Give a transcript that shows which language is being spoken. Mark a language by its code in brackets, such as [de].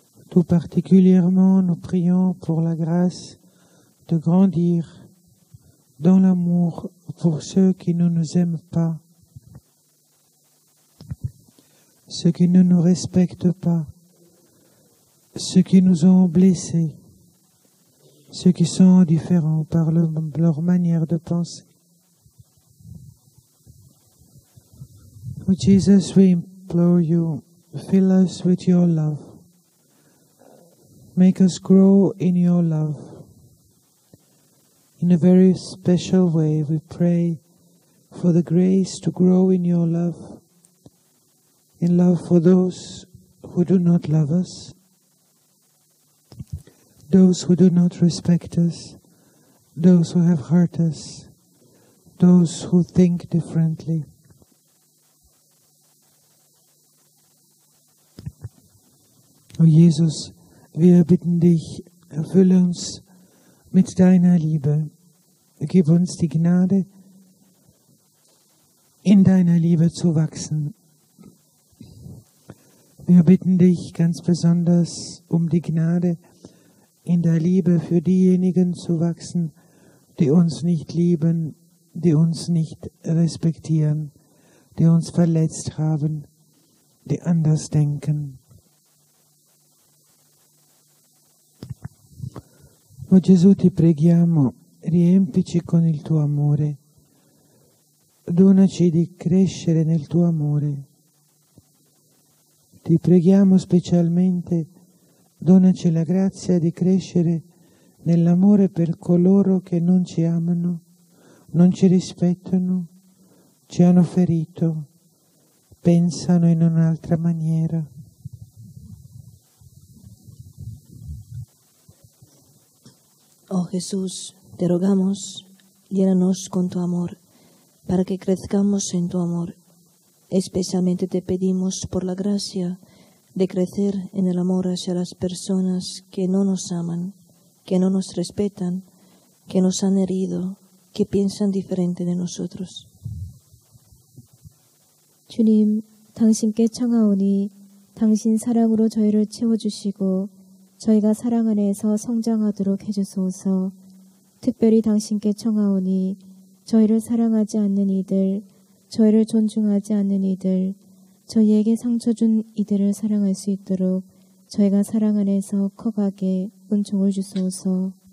[fr] Tout particulièrement, nous prions pour la grâce de grandir dans l'amour pour ceux qui ne nous aiment pas, ceux qui ne nous respectent pas, ceux qui nous ont blessés, ceux qui sont différents par leur manière de penser. [en] Oh Jesus, we implore you, fill us with your love. Make us grow in your love. In a very special way, we pray for the grace to grow in your love, in love for those who do not love us, those who do not respect us, those who have hurt us, those who think differently. [de] O Jesus, wir bitten dich, erfülle uns mit deiner Liebe. Gib uns die Gnade, in deiner Liebe zu wachsen. Wir bitten dich ganz besonders um die Gnade, in der Liebe für diejenigen zu wachsen, die uns nicht lieben, die uns nicht respektieren, die uns verletzt haben, die anders denken. [it] O Gesù, ti preghiamo, riempici con il tuo amore. Donaci di crescere nel tuo amore. Ti preghiamo specialmente, donaci la grazia di crescere nell'amore per coloro che non ci amano, non ci rispettano, ci hanno ferito, pensano in un'altra maniera. [es] Oh Jesús, te rogamos, llénanos con tu amor, para que crezcamos en tu amor. Especialmente te pedimos por la gracia de crecer en el amor hacia las personas que no nos aman, que no nos respetan, que nos han herido, que piensan diferente de nosotros. [ko] 주님, 당신께 청하오니 당신 사랑으로 저희를 채워주시고 저희가 사랑 안에서 성장하도록 해주소서. 특별히 당신께 청하오니 저희를 사랑하지 않는 이들, 저희를 존중하지 않는 이들, 저희에게 상처 준 이들을 사랑할 수 있도록 저희가 사랑 안에서 커가게 은총을 주소서.